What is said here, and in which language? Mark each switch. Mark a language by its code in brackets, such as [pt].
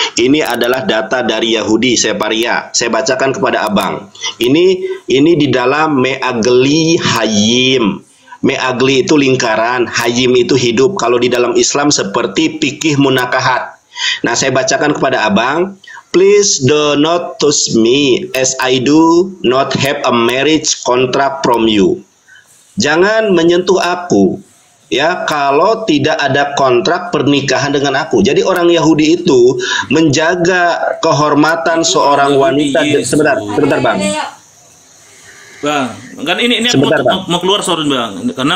[id] Ini adalah data dari Yahudi, Separia. Saya bacakan kepada abang. Ini di dalam Me'agli Hayim. Me'agli itu lingkaran, hayim itu hidup. Kalau di dalam Islam seperti fikih munakahat. Nah, saya bacakan kepada abang. [en] Please do not touch me as I do not have a marriage contract from you. [id] Jangan menyentuh aku, ya, kalau tidak ada kontrak pernikahan dengan aku. Jadi orang Yahudi itu menjaga kehormatan seorang wanita. Sebentar bang. Bang, kan ini sebentar, mau keluar sorin bang, karena